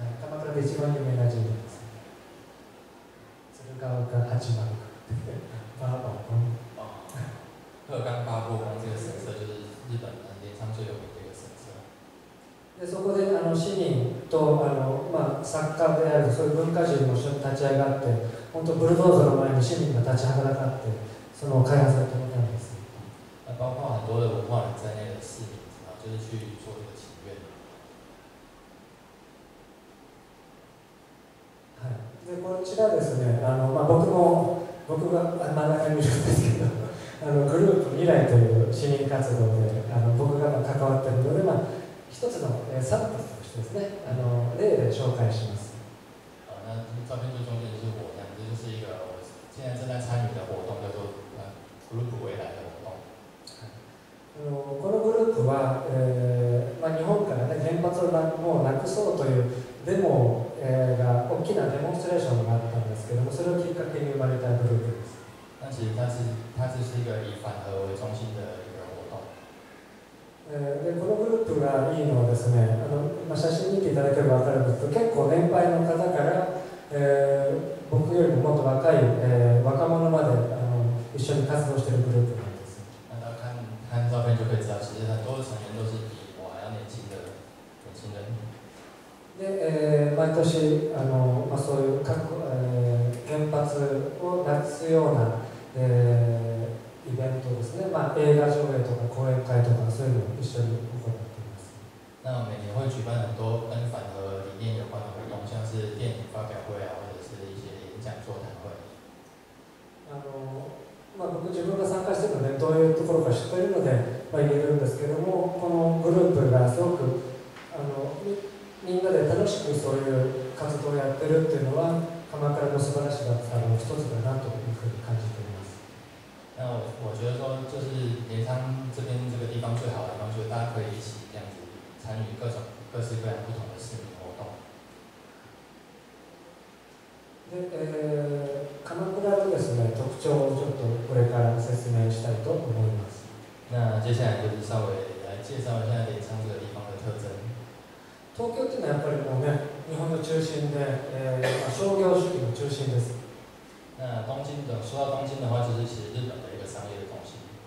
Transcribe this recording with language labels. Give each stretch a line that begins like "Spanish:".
Japanese: 鎌倉で一番有名な神社です。鶴岡八幡宮。八宝宫。
Chinese: 鹤冈八宝宫这个神社就是日本的镰仓最有名的一个神社。
Japanese: でそこで市民と作家であるそういう文化人も一緒に立ち上がって、本当ブルドーザーの前に市民が立ちはだかってその開発を止めたんです。
Chinese: 那包括很多的文化人在内的市民，然后就是去做这个请愿。
Japanese: はい。でこちらですね、僕が真ん中にいるんですけど。グループ未来という市民活動で僕が関わっているので、一つのサンプルとしてですね、例で紹介します。
Chinese: 那照片最中间就是我，这就是一个我现在正在参与的活动，叫做グループ未来的活动。
Japanese: このグループは、日本から、ね、原発をもうなくそうというデモが、大きなデモンストレーションがあったんですけども、それをきっかけに生まれたグループです。
Chinese: 那其实它只是一个以反核为中心的一个活动。
Japanese: でこのグループがいいのはですね、写真見ていただければ分かるんですけど、結構年配の方から、僕よりももっと若い、若者まで一緒に活動しているグループなんです。
Chinese: 那大家看照片就可以知道，其实很多的成员都是比我还要年轻人。
Japanese: で、毎年そういう各、原発をなくすような、イベントですね、映画上映とか講演会とかそういうのを一緒に行っています。
Chinese: 那每年会举办很多跟反核理念有关的活动，像是电影发表会啊，或者是一些演讲座谈会。
Japanese: 僕自分が参加しているので、ね、どういうところか知っているので、言えるんですけども、このグループがすごくみんなで楽しくそういう活動をやってるっていうのは、鎌倉の素晴らしさの一つだなというふうに感じています。
Chinese: 那我觉得说，就是镰仓这边这个地方最好的地方，就是大家可以一起这样子参与各式各样不同的市民活动。
Japanese: で、鎌倉のですね、特徴をちょっとこれから説明したいと思います。
Chinese: 那接下来就是稍微来介绍一下镰仓这个地方的特征。
Japanese: 東京というのはやっぱりもうね、日本の中心で、商業主義の中心です。
Chinese: 那東京的、说到東京的話、就是其實日本的一個商業的中心。